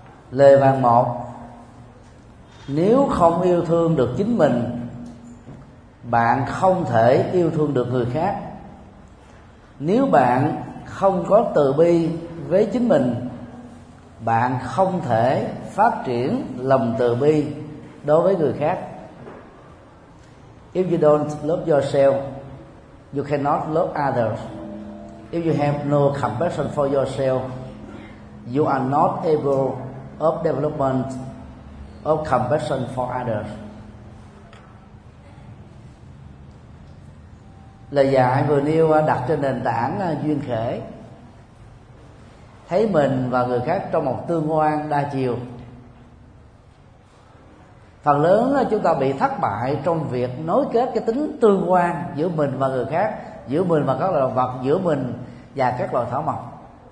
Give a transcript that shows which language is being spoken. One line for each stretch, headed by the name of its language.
Vietnamese: Lời vàng 1: nếu không yêu thương được chính mình, bạn không thể yêu thương được người khác. Nếu bạn không có từ bi với chính mình, bạn không thể phát triển lòng từ bi đối với người khác.
English: If you don't love yourself, you cannot love others. If you have no compassion for yourself, you are not able of development of compassion for others.
Vietnamese: Lời dạy vừa nêu đặt trên nền tảng duyên khể, thấy mình và người khác trong một tương quan đa chiều. Phần lớn chúng ta bị thất bại trong việc nối kết cái tính tương quan giữa mình và người khác, giữa mình và các loài động vật, giữa mình và các loài thảo mộc.